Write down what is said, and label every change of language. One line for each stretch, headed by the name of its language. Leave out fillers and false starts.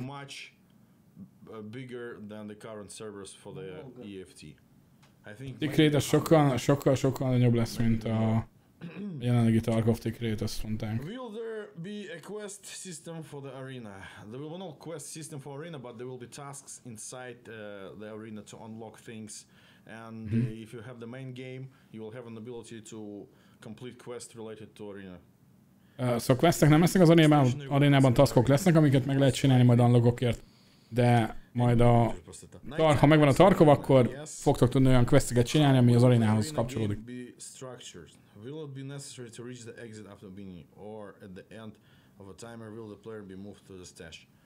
English: Much bigger than the current servers for the EFT. I think
Hungarian: tick rate sokkal nagyobb lesz, mint a jelenlegi Tarkov tick rate, azt mondták.
English: Will there be a quest system for the arena? There will be no quest system for arena, but there will be tasks inside the arena to unlock things. And if you have the main game, you will have an ability to complete quest related to arena.
Hungarian: So questek nem lesznek az arénában taskok lesznek, amiket meg lehet csinálni majd unlockokért. De majd ha megvan a Tarkov, akkor fogtok tudni olyan questeket csinálni, ami az arénához kapcsolódik.
English: Will it be necessary to reach the exit after beginning, or at the end of a timer will the player be moved to the stash?